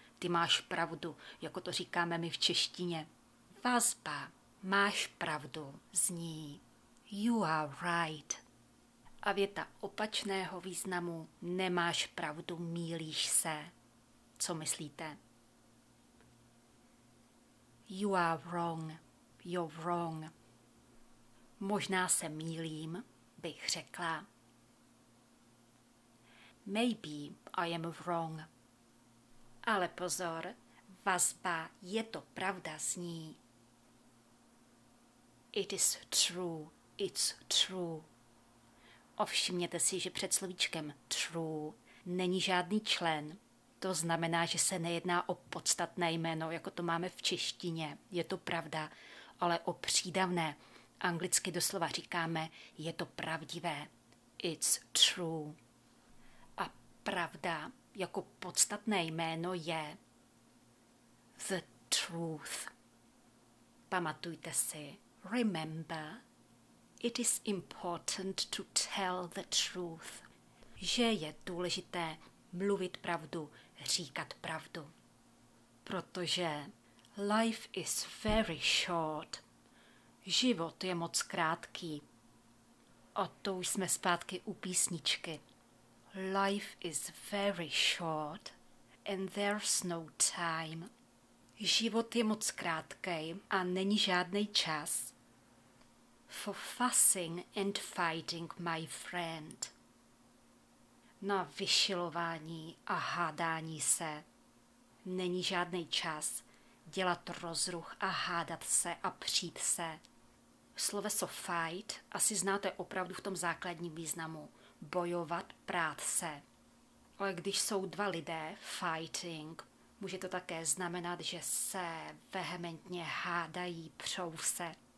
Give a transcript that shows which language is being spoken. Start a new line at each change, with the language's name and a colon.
Czech: Ty máš pravdu, jako to říkáme my v češtině. Vazba, máš pravdu, zní
English: you are right.
Czech: A věta opačného významu, nemáš pravdu, mýlíš se. Co myslíte?
English: You are wrong, you're wrong.
Czech: Možná se mýlím, bych řekla.
English: Maybe I am wrong.
Czech: Ale pozor, vazba je to pravda zní.
English: It is true, it's true.
Czech: Ovšimněte si, že před slovíčkem true není žádný člen. To znamená, že se nejedná o podstatné jméno, jako to máme v češtině. Je to pravda, ale o přídavné. Anglicky doslova říkáme, je to pravdivé.
English: It's true.
Czech: A pravda jako podstatné jméno je
English: the truth.
Czech: Pamatujte si,
English: remember, it is important to tell the truth.
Czech: Že je důležité mluvit pravdu, říkat pravdu. Protože
English: life is very short.
Czech: Život je moc krátký. A to už jsme zpátky u písničky.
English: Life is very short and there's no time.
Czech: Život je moc krátkej a není žádnej čas.
English: For fussing and fighting, my friend.
Czech: Na vyšilování a hádání se. Není žádnej čas dělat rozruch a hádat se a přít se. Sloveso fight asi znáte opravdu v tom základním významu. Bojovat, prát se. Ale když jsou dva lidé fighting, může to také znamenat, že se vehementně hádají, přou se.